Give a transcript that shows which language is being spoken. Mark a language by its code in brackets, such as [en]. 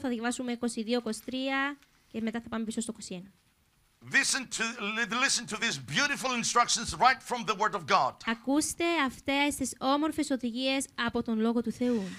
[el] Θα διαβάσουμε 22, 23 και μετά θα πάμε πίσω στο 21. [en] Listen to these beautiful instructions right from the Word of God. [el] Ακούστε αυτές τις όμορφες οδηγίες από τον Λόγο του Θεού.